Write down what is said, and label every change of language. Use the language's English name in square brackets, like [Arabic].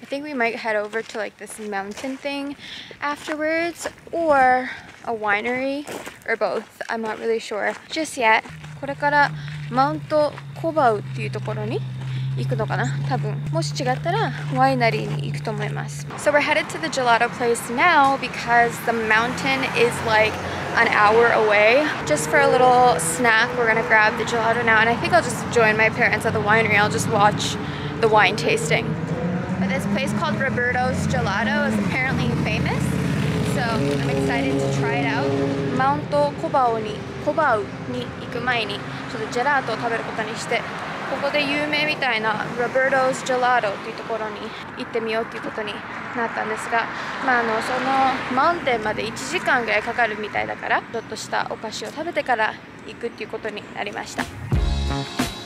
[English] I think we might head over to like this mountain thing afterwards, or a winery, or both. I'm not really sure just yet. [Japanese] これからマウントコバウっていうところに行くのかな、多分。もし違ったらワイナリーに行くと思います。 [English] So we're headed to the gelato place now because the mountain is like an hour away. Just for a little snack, we're gonna grab the gelato now, and I think I'll just join my parents at the winery. I'll just watchthe wine tasting. But this place called Roberto's Gelato is apparently famous, so I'm excited to try it out. [Japanese] Mount Kobau に、コバウに行く前に、ちょっとジェラートを食べることにして、ここで有名みたいな Roberto's Gelato っていうところに行ってみようっていうことになったんですが、まあ、あのそのマウンテンまで1時間ぐらいかかるみたいだから、ちょっとしたお菓子を食べてから行くっていうことになりました。